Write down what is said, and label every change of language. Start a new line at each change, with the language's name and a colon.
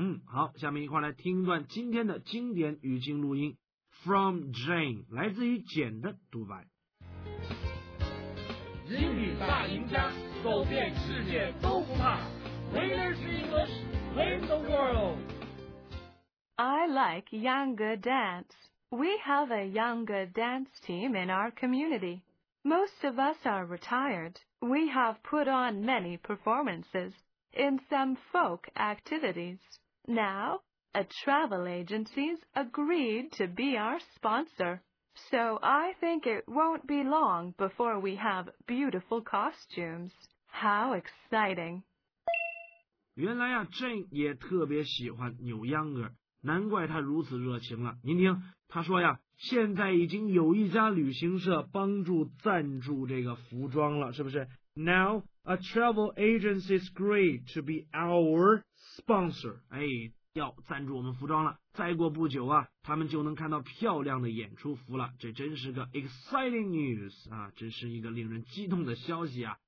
Chinese: 好，下面一块来听一段今天的经典语境录音 ，
English: From Jane，
Chinese: 来自于简的独白。英语大赢家，走遍世界都不怕 ，
English: Winners in English win the world。 I like Yanga dance. We have a Yanga dance team in our community. Most of us are retired. We have put on many performances in some folk activities. Now, a travel agency's agreed to be our sponsor. So I think it won't be long before we have beautiful costumes. How exciting!
Chinese: 原来啊 ，Jane 也特别喜欢扭秧歌。难怪他如此热情了。您听他说呀，现在已经有一家旅行社帮助赞助这个服装了，是不是？
English: Now a travel agency is great to be our sponsor，
Chinese: 哎，要赞助我们服装了，再过不久啊，他们就能看到漂亮的演出服了，这真是个
English: exciting news
Chinese: 啊，真是一个令人激动的消息啊。